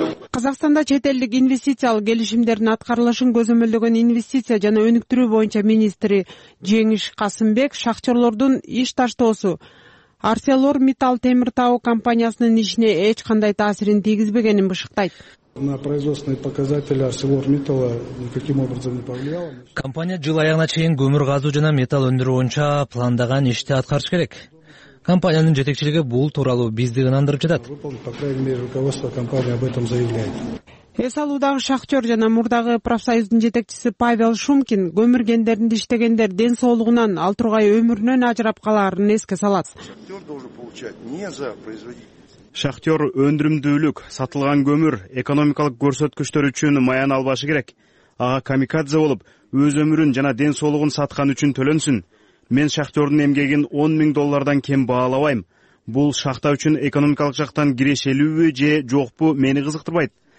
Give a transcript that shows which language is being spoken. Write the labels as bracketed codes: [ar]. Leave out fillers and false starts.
[ky] Казакстанда чет элдик инвестициялык келишимдердин аткарылышын көзөмөлдөгөн инвестиция жана өнүктүрүү боюнча министри Жеңиш Касымбек шахтёрлордун иш таштоосу Арселор Метал Темир Тау компаниясынын ишине эч кандай таасирин тийгизбегенин бышыктайт. [ru] На производственные показатели ArcelorMittal никаким образом не повлияло. [ky] Компания жыл аягына чейин көмүр казуу жана металл өндүрүү боюнча пландаган ишти аткарыш керек. Компаниянын жетекчилиги бул тууралуу бизди ынандырып жатат. [ru] По крайней мере, руководство компании об этом заявляет. [ky] Эс алуудагы шахтёр жана мурдагы профсоюздун жетекчиси Павел Шумкин көмүр кендеринде иштегендер ден соолугунан ал тургай өмүрүнөн ажырап калаарын эске салат. [ru] Шахтёр должен получать не за производительность. [ky] Шахтёр өндүрүмдүүлүк, сатылган көмүр, экономикалык көрсөткүчтөр үчүн маяна албашы керек. Ага камикадзе болуп, өз өмүрүн жана ден соолугун саткан үчүн төлөнсүн. Мен шахтёрдун эмгегин $10,000 кем баалабайм. Бул шахта үчүн экономикалык жактан кирешелүүбү же жокпу мени кызыктырбайт.